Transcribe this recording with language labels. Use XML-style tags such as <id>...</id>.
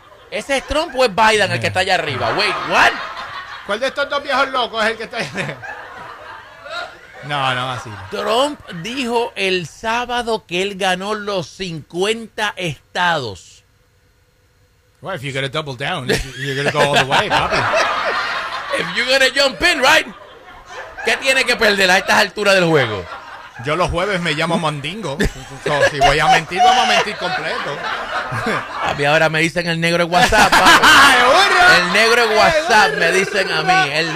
<es>¿Ese es Trump o es Biden el que está allá arriba?</es> <en>Wait, what?</en> <es>¿Cuál de estos dos viejos locos es el que está ahí? No, así. Trump dijo el sábado que él ganó los 50 estados.</es> <en>Well, if you're gonna double down, you're gonna go all the way, papi. If you're gonna jump in, right?</en> <es>¿Qué tiene que perder a estas alturas del juego? Yo los jueves me llamo Mandingo. So, si voy a mentir, vamos a mentir completo. A mí ahora me dicen el negro de WhatsApp. El negro de WhatsApp me dicen a mí.</es>